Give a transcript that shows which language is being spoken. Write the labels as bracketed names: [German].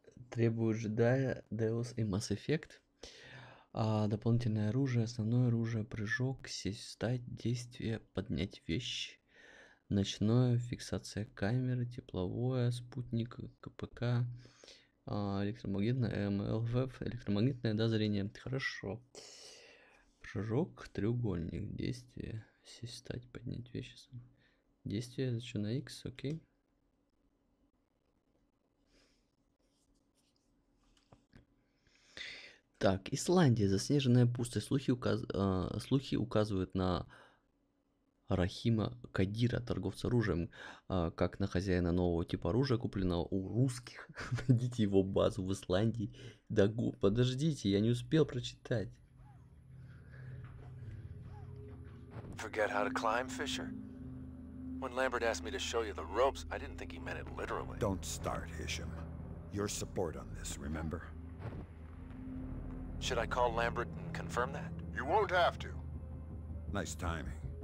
[Russian] Требует Jedi, Deus и Mass Effect. Дополнительное оружие, основное оружие, прыжок, сесть, встать, действие, поднять вещи. Ночное, фиксация камеры, тепловое, спутник, КПК, электромагнитное, МЛВ, электромагнитное, да, зрение. Хорошо. Прыжок, треугольник, действие, сесть, встать, поднять вещи. Действие, зачем на X, окей. Так, Исландия, заснеженная пустыня. Слухи указывают на Рахима Кадира, торговца оружием, как на хозяина нового типа оружия, купленного у русских. Найдите его базу в Исландии. Да, подождите, я не успел прочитать. [English] Forget how to climb, Fisher. When Lambert asked me to show you the ropes, I didn't think he meant it literally. Don't start, Hisham. Your support on this, remember? Should I call Lambert and confirm that? You won't have to. Nice timing.